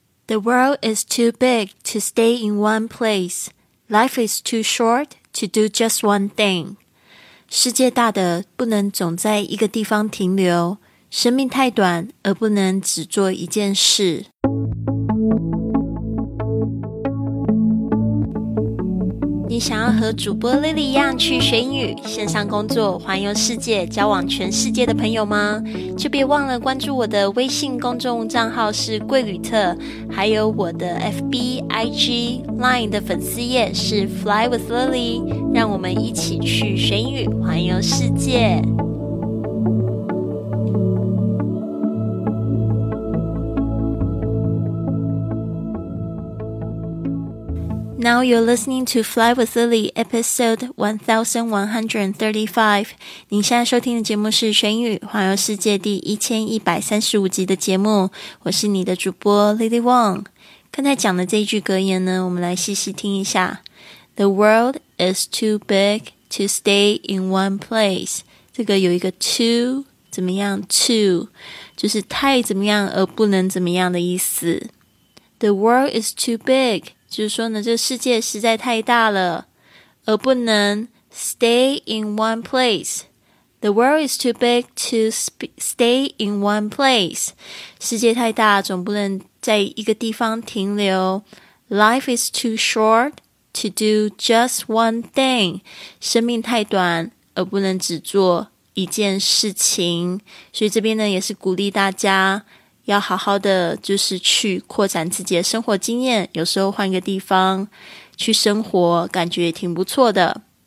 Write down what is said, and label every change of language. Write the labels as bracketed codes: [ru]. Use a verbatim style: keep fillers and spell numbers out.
[en] The world is too big to stay in one place. Life is too short to do just one thing. [zh] 世界大得不能总在一个地方停留，生命太短而不能只做一件事。你想要和主播 Lily 一样去学英语、线上工作、环游世界、交往全世界的朋友吗？就别忘了关注我的微信公众账号是贵旅特，还有我的 F B、I G、Line 的粉丝页是 Fly with Lily， 让我们一起去学英语、环游世界。 [en] Now you're listening to Fly with Lily, episode eleven thirty-five. [zh] 您现在收听的节目是学英语环游世界第 [en] eleven thirty-five [zh] 集的节目，我是你的主播 Lily Wong。刚才讲的这一句格言呢，我们来细细听一下。 [en] The world is too big to stay in one place. [zh] 这个有一个 too 怎么样 too 就是太怎么样而不能怎么样的意思。 [en] The world is too big. [zh] 就是说呢，这个世界实在太大了，而不能 [en] stay in one place. The world is too big to sp- stay in one place. [zh] 世界太大，总不能在一个地方停留。 [en] Life is too short to do just one thing. [zh] 生命太短，而不能只做一件事情。所以这边呢，也是鼓励大家要好好的就是去扩展自己的生活经验，有时候换个地方去生活，感觉也挺不错的。